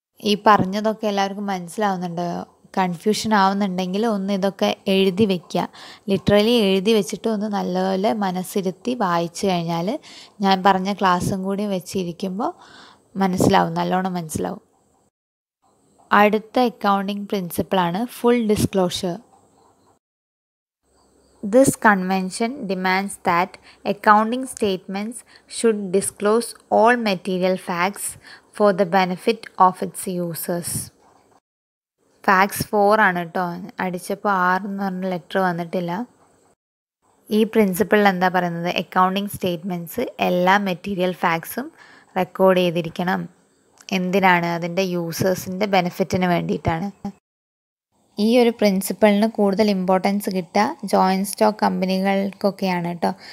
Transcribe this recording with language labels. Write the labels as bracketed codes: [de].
[ml] ഈ പറഞ്ഞതൊക്കെ എല്ലാവർക്കും മനസ്സിലാവുന്നുണ്ട്? കൺഫ്യൂഷൻ ആവുന്നുണ്ടെങ്കിൽ ഒന്ന് ഇതൊക്കെ എഴുതി വയ്ക്കുക, ലിറ്ററലി എഴുതി വെച്ചിട്ട് ഒന്ന് നല്ലപോലെ മനസ്സിരുത്തി വായിച്ചു കഴിഞ്ഞാൽ ഞാൻ പറഞ്ഞ ക്ലാസ്സും കൂടി വെച്ചിരിക്കുമ്പോൾ മനസ്സിലാവും, നല്ലോണം മനസ്സിലാവും. അടുത്ത accounting പ്രിൻസിപ്പിളാണ് full disclosure. [en] This convention demands that accounting statements should disclose all material facts for the benefit of its users. [ml] Facts 4 ആണ് കേട്ടോ, അടിച്ചപ്പോൾ 6 എന്ന് പറഞ്ഞ ലെറ്റർ വന്നിട്ടില്ല. ഈ പ്രിൻസിപ്പിളിൽ എന്താ പറയുന്നത്? അക്കൗണ്ടിങ് സ്റ്റേറ്റ്മെൻറ്റ്സ് എല്ലാ മെറ്റീരിയൽ ഫാക്ട്സും റെക്കോർഡ് ചെയ്തിരിക്കണം. എന്തിനാണ്? അതിൻ്റെ യൂസേഴ്സിൻ്റെ ബെനിഫിറ്റിന് വേണ്ടിയിട്ടാണ്. ഈ ഒരു പ്രിൻസിപ്പിളിന് കൂടുതൽ ഇമ്പോർട്ടൻസ് കിട്ടുക ജോയിൻ്റ് സ്റ്റോക്ക് കമ്പനികൾക്കൊക്കെയാണ് കേട്ടോ.